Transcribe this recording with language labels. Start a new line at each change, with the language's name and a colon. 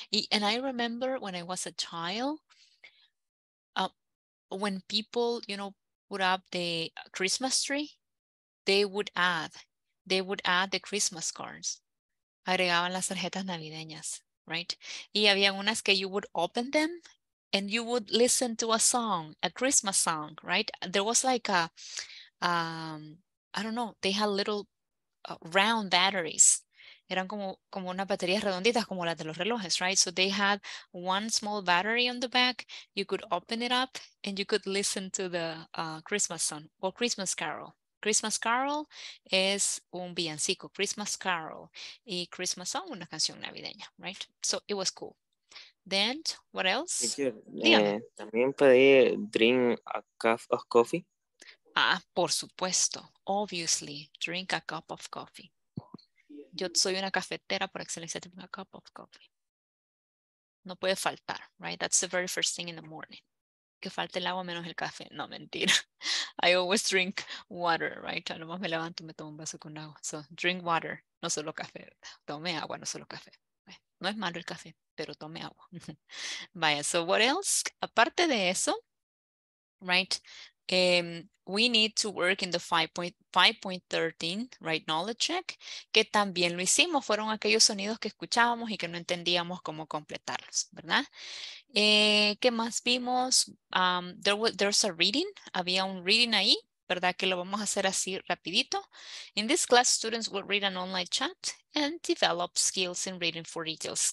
English: And I remember when I was a child, when people, you know, put up the Christmas tree, they would add the Christmas cards.
Spanish: Agregaban las tarjetas navideñas, right? Y había unas que
English: you would open them and you would listen to a song, a Christmas song, right? There was like a I don't know, they had little round batteries.
Spanish: Eran como unas baterías redonditas, como las de los relojes, right?
English: So they had one small battery on the back. You could open it up and you could listen to the Christmas song or Christmas carol. Christmas carol
Spanish: es un villancico.
English: Christmas carol y Christmas song,
Spanish: una canción navideña,
English: right? So it was cool. Then, what else?
Spanish: También pedí
English: drink a cup of coffee.
Spanish: Ah, por supuesto.
English: Obviously, drink a cup of coffee.
Spanish: Yo soy una cafetera por excelencia,
English: drink a cup of coffee.
Spanish: No puede faltar, right?
English: That's the very first thing in the morning.
Spanish: Que falte el agua menos el café. No, mentira.
English: I always drink water,
Spanish: right? A lo más me levanto y me tomo un vaso con agua.
English: So, drink water,
Spanish: no solo café. Tome agua, no solo café. No es malo el café, pero tome agua. Vaya,
English: so what else?
Spanish: Aparte de eso, right?
English: We need to work in the 5.13, right?
Spanish: Knowledge check, que también lo hicimos. Fueron aquellos sonidos que escuchábamos y que no entendíamos cómo completarlos, ¿verdad? ¿Qué más vimos?
English: There's a reading.
Spanish: Había un reading ahí, ¿verdad? Que lo vamos a hacer así rapidito.
English: In this class, students will read an online chat and develop skills in reading for details.